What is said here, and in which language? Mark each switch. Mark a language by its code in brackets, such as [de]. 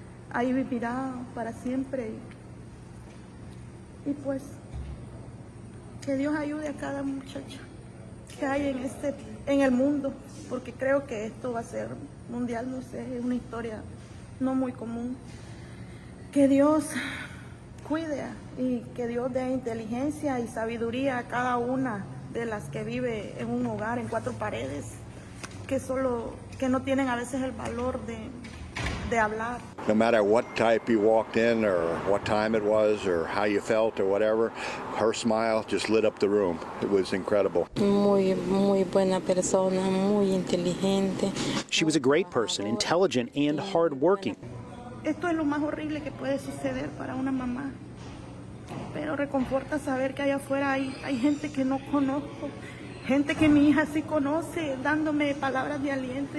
[es] Ahí vivirá para siempre. Y pues, que Dios ayude a cada muchacha que hay en el mundo, porque creo que esto va a ser mundial, no sé, es una historia no muy común. Que Dios cuide y que Dios dé inteligencia y sabiduría a cada una de las que vive en un hogar, en cuatro paredes, que no tienen a veces el valor de hablar. [en] No matter what type you walked in or what time it was or how you felt or whatever, her smile just lit up the room. It was incredible. [es] Muy, muy buena persona, muy inteligente. [en] She was a great person, intelligent and hardworking. [es] Esto es lo más horrible que puede suceder para una mamá. Pero reconforta saber que allá afuera hay gente que no conozco, gente que mi hija sí conoce, dándome palabras de aliento.